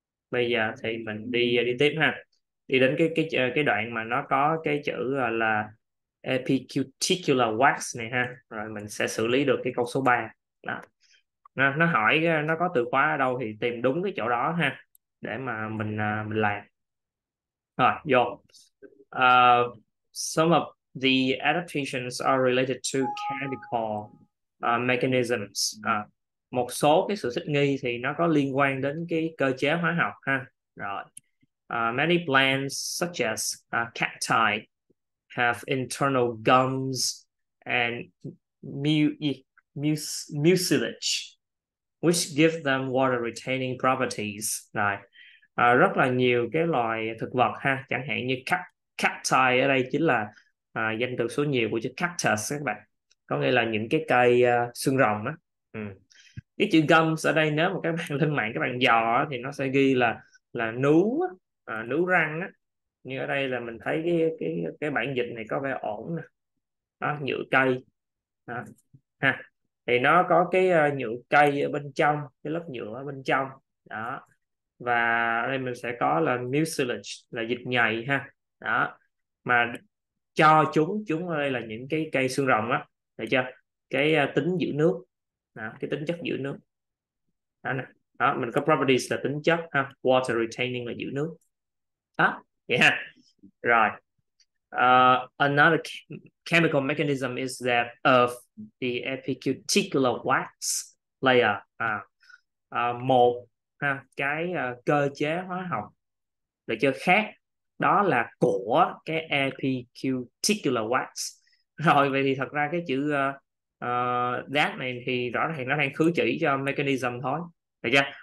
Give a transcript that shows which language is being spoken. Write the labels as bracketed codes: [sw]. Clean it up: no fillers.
[vi] Bây giờ thì mình đi đi tiếp ha. Đi đến cái đoạn mà nó có cái chữ là epicuticular wax này ha. Rồi mình sẽ xử lý được cái câu số 3. Đó. Nó hỏi nó có từ khóa ở đâu thì tìm đúng cái chỗ đó ha để mà mình làm. Rồi, vô. [en] Some of the adaptations are related to chemical mechanisms. [vi] Một số cái sự thích nghi thì nó có liên quan đến cái cơ chế hóa học ha. Rồi. [en] Many plants such as cacti have internal gums and mucilage, which give them water retaining properties. [vi] Rồi. Rất là nhiều cái loài thực vật ha, chẳng hạn như cacti ở đây chính là danh từ số nhiều của chữ cactus các bạn, có nghĩa là những cái cây xương rồng á. Cái chữ gums ở đây nếu mà các bạn lên mạng các bạn dò thì nó sẽ ghi là nú, nú răng á. Như ở đây là mình thấy cái bản dịch này có vẻ ổn nè, đó, nhựa cây đó. Ha, thì nó có cái nhựa cây ở bên trong, cái lớp nhựa ở bên trong đó, và đây mình sẽ có là mucilage là dịch nhầy ha, đó mà cho chúng chúng ở đây là những cái cây xương rồng á, được chưa, cái tính giữ nước đó, cái tính chất giữ nước đó nè, đó mình có properties là tính chất ha, water retaining là giữ nước đó, vậy ha. Rồi [en] Another chemical mechanism is that of the epicuticular wax layer. [vi] Một ha, cái cơ chế hóa học là chưa khác đó là của cái epicuticular wax. Rồi vậy thì thật ra cái chữ that này thì rõ ràng nó đang khứ chỉ cho mechanism thôi. Được chưa?